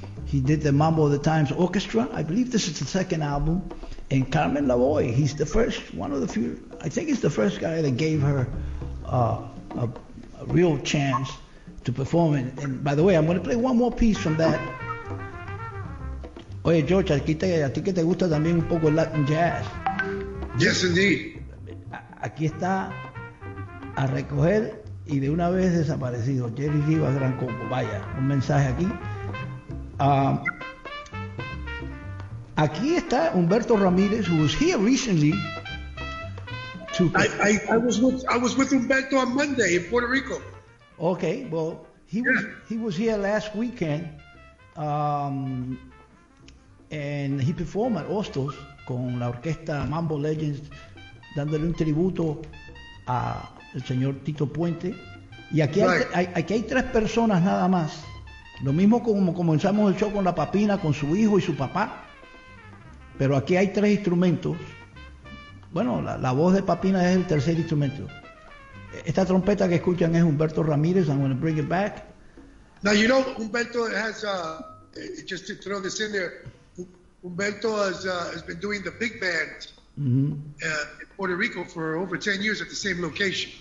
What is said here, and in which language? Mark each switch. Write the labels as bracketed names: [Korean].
[English] He did the Mambo of the Times Orchestra. I believe this is the second album. And Carmen Lavoy, he's the first, one of the few, I think he's the first guy that gave her a real chance to perform. And by the way, I'm going to play one more piece from that. [Spanish] Oye, George, aquí te, a ti que te gusta también un poco el Latin Jazz. [English] Yes, indeed. [Spanish] Aquí está a recoger y de una vez desaparecido. Jerry Rivas, Gran Combo. Vaya, un mensaje aquí. Aquí está [English] Humberto Ramírez, who was here recently. I was with Humberto on Monday in Puerto Rico. Okay, well, he was here last weekend. And he performed at Hostos [Spanish] con la orquesta Mambo Legends, dándole un tributo a el señor Tito Puente. Y aquí hay tres personas nada más. Lo mismo como comenzamos el show con la papina, con su hijo y su papá. Pero aquí hay tres instrumentos. Bueno, la voz de papina es el tercer instrumento. Esta trompeta que escuchan es Humberto Ramírez. [English] I'm going to bring it back. Now, you know, Humberto has, just to throw this in there, Humberto has been doing the big band in Puerto Rico for over 10 years at the same location.